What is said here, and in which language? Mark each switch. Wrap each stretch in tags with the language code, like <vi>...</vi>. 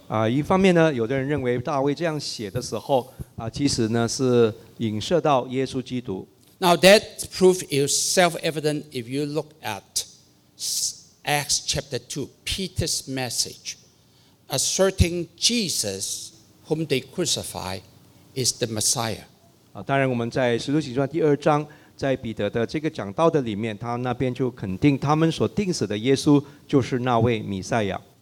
<zh>一方面呢，有的人认为大卫这样写的时候，其实呢是影射到耶稣基督。</zh> <en>Now that proof is self-evident if you look at Acts chapter 2, Peter's message asserting Jesus, whom they crucified, is the Messiah.</en> <zh>当然我们在使徒行传第二章，在彼得的这个讲道的里面，他那边就肯定他们所钉死的耶稣就是那位弥赛亚。</zh>